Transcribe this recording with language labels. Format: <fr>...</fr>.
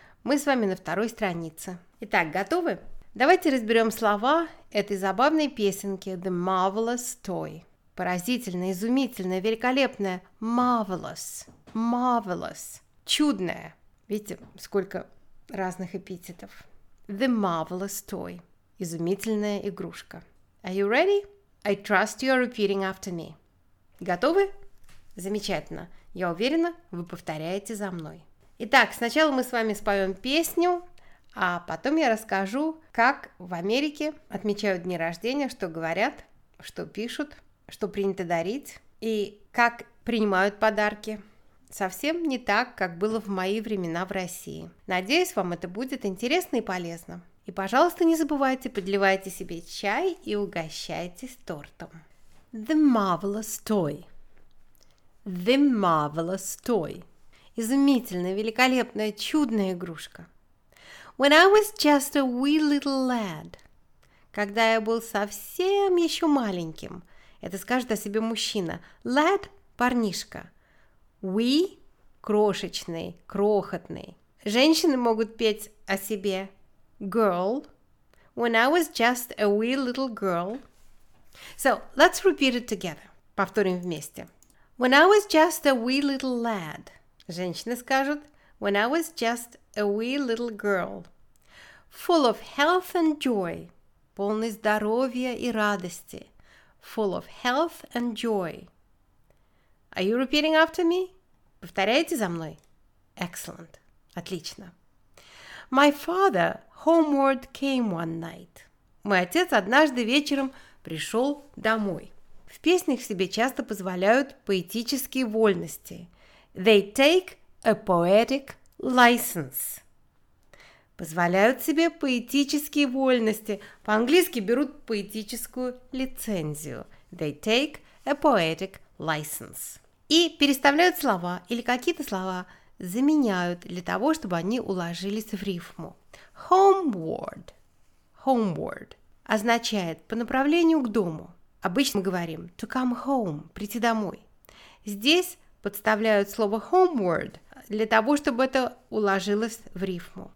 <ru>Мы с вами на второй странице. Итак, готовы? Давайте разберем слова этой забавной песенки «The Marvelous Toy». Поразительное, изумительное, великолепное «Marvelous», «Marvelous», «Чудное». Видите, сколько разных эпитетов. «The Marvelous Toy» – изумительная игрушка.</ru> <en>Are you ready? I trust you are repeating after me.</en> <ru>Готовы? Замечательно. Я уверена, вы повторяете за мной. Итак, сначала мы с вами споем песню, а потом я расскажу, как в Америке отмечают дни рождения, что говорят, что пишут, что принято дарить и как принимают подарки. Совсем не так, как было в мои времена в России. Надеюсь, вам это будет интересно и полезно. И, пожалуйста, не забывайте, подливайте себе чай и угощайтесь тортом.</ru> <en>The marvelous toy. The marvelous toy.</en> <ru>Изумительная, великолепная, чудная игрушка.</ru> <en>When I was just a wee little lad.</en> <ru>Когда я был совсем еще маленьким. Это скажет о себе мужчина. Lad – парнишка. Wee – крошечный, крохотный. Женщины могут петь о себе.</ru> <en>Girl. When I was just a wee little girl. So, let's repeat it together.</en> <ru>Повторим вместе.</ru> <en>When I was just a wee little lad.</en> <ru>Женщины скажут.</ru> <en>When I was just a wee little girl. Full of health and joy.</en> <ru>Полный здоровья и радости.</ru> <en>Full of health and joy. Are you repeating after me?</en> <ru>Повторяете за мной? Excellent. Отлично.</ru> <en>My father homeward came one night.</en> <ru>Мой отец однажды вечером пришел домой. В песнях себе часто позволяют поэтические вольности.</ru> <en>They take a poetic license.</en> <ru>Позволяют себе поэтические вольности. По-английски берут поэтическую лицензию.</ru> <en>They take a poetic license.</en> <ru>И переставляют слова или какие-то слова заменяют для того, чтобы они уложились в рифму.</ru> <en>Homeward.</en> <ru>Homeward означает по направлению к дому. Обычно мы говорим</ru> <en>to come home,</en> <ru>прийти домой. Здесь подставляют слово homeward для того, чтобы это уложилось в рифму.</ru>